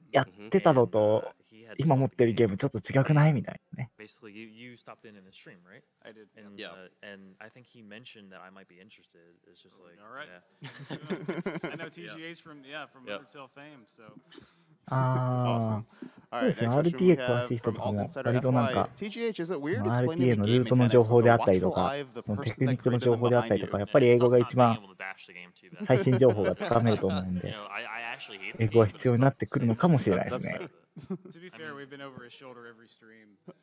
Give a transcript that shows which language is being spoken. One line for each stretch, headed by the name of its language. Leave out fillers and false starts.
Japanese: やってたのと。今持ってるゲームちょっと違くないみたいなね。
English: Basically, you stopped in the stream, right? I did. And, yeah. And I think he mentioned that I might be interested. It's just like, all right. Yeah. I know TGA's from Undertale fame, so. Awesome. All right.
Japanese: RTA 詳しい人とかも割となんか、RTA のルートの情報であったりとか、テクニックの情報であったりとか、やっぱり英語が一番最新情報がつかめると思うんで、英語は必要になってくるのかもしれないですね。
English: To be fair, we've been over his shoulder every stream.